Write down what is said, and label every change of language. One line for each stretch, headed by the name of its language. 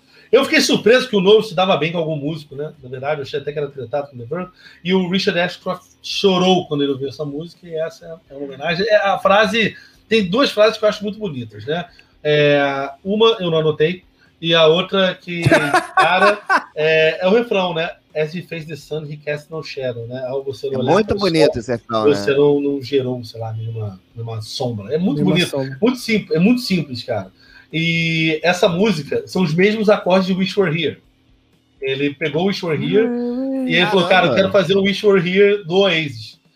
Portuguese: Eu fiquei surpreso que o Noel se dava bem com algum músico, né? Na verdade, eu achei até que era tretado com o The Verve. E o Richard Ashcroft chorou quando ele ouviu essa música, e essa é uma homenagem. A frase... Tem duas frases que eu acho muito bonitas, né? Uma eu não anotei, e a outra que, cara, é o refrão, né?
English: As he faced the sun, he cast no shadow,
Portuguese: né? Você não é muito bonito esse refrão, né? Você não gerou, sei lá, nenhuma sombra. É muito bonito, muito simples, é muito simples, cara. E essa música são os mesmos acordes de Wish We're Here. Ele pegou Wish We're Here e ele falou, cara, eu quero fazer um Wish We're Here do Oasis.